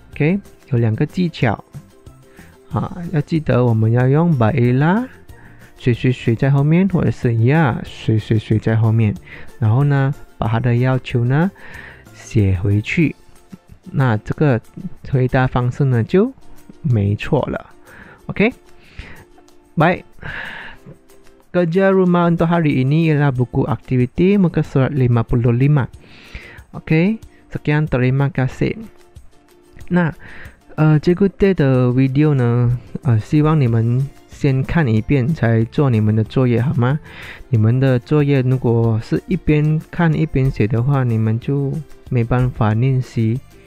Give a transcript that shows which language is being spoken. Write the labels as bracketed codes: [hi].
[zh] OK， 有两个技巧、啊、要记得我们要用 baiklah 谁谁谁在后面，或者是 ya 谁谁谁在后面，然后呢把他的要求呢写回去，那这个回答方式呢就没错了。 [ms] OK, baik. Kerja rumah untuk hari ini ialah buku aktiviti muka surat 55. OK, sekian, terima kasih. [zh] Nah, cikgu Day 的 video 呢、希望你们先看一遍才做你们的作业好吗？你们的作业如果是一边看一边写的话，你们就没办法练习。